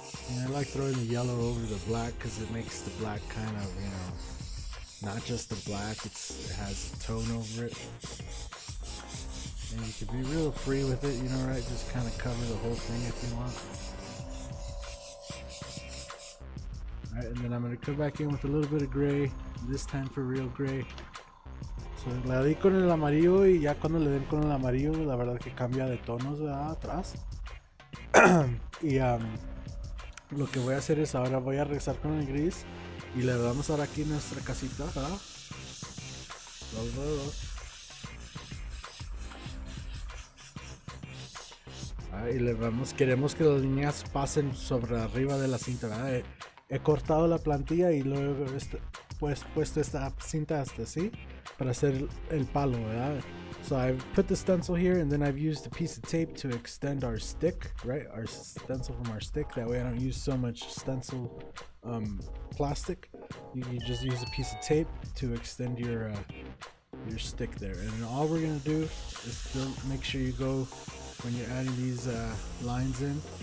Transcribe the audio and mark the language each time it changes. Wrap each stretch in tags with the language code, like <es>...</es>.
<en>And I like throwing the yellow over the black because it makes the black kind of, you know, not just the black, it has a tone over it. And you can be real free with it, you know, right? Just kind of cover the whole thing if you want. Alright, and then I'm going to come back in with a little bit of gray, this time for real gray.</en> <es>So le di con el amarillo y ya cuando le den con el amarillo, la verdad que cambia de tonos, ¿verdad? Atrás. Y lo que voy a hacer es ahora voy a regresar con el gris y le vamos a dar aquí nuestra casita, ¿verdad? Los dedos. Ahí le vamos, queremos que las líneas pasen sobre arriba de la cinta, ¿verdad? He cortado la plantilla y luego puesto esta cinta hasta así para hacer el palo, ¿verdad?</es> <en>So I've put the stencil here and then I've used a piece of tape to extend our stick, right? Our stencil from our stick. That way I don't use so much stencil plastic. You just use a piece of tape to extend your stick there. And all we're going to do is still make sure you go when you're adding these lines in.</en>